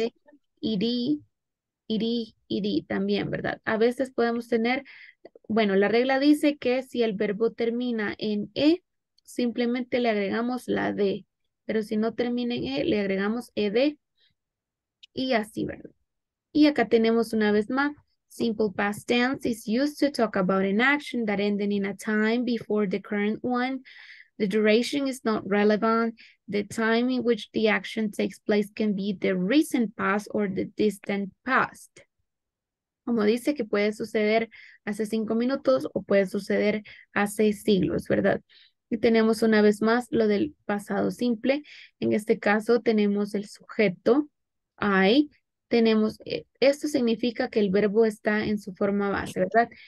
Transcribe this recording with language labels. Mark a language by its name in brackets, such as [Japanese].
[Spanish] de ed, ed, ed también, ¿verdad? A veces podemos tener, bueno, la regla dice que si el verbo termina en e, simplemente le agregamos la d. Pero si no termina en E, le agregamos ED y así, ¿verdad? Y acá tenemos una vez más [English] Simple past tense is used to talk about an action that ended in a time before the current one. The duration is not relevant. The time in which the action takes place can be the recent past or the distant past. [Spanish] Como dice que puede suceder hace 5 minutos o puede suceder hace siglos, ¿verdad? Y tenemos una vez más lo del pasado simple. En este caso tenemos el sujeto, I. Tenemos, esto significa que el verbo está en su forma base, ¿verdad?